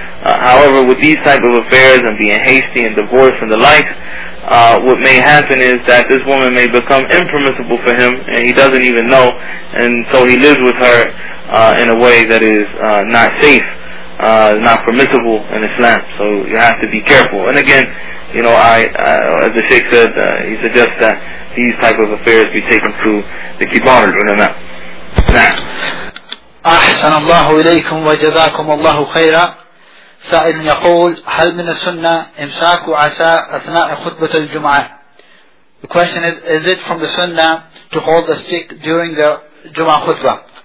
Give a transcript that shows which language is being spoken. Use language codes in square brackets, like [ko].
[en] However, with these type of affairs and being hasty and divorce and the like, what may happen is that this woman may become impermissible for him, and he doesn't even know, and so he lives with her in a way that is not safe, not permissible in Islam. So you have to be careful. And again, you know, as the Sheikh said, he suggests that these type of affairs be taken to the kibar al-ulama. [ar] أحسن الله إليكم وجزاكم الله خيرا. سائل يقول: هل من السنة إمساك عصا أثناء خطبة الجمعة؟ [en] The question is: is it from the sunnah to hold a stick during the [ar] جمعة خطبة؟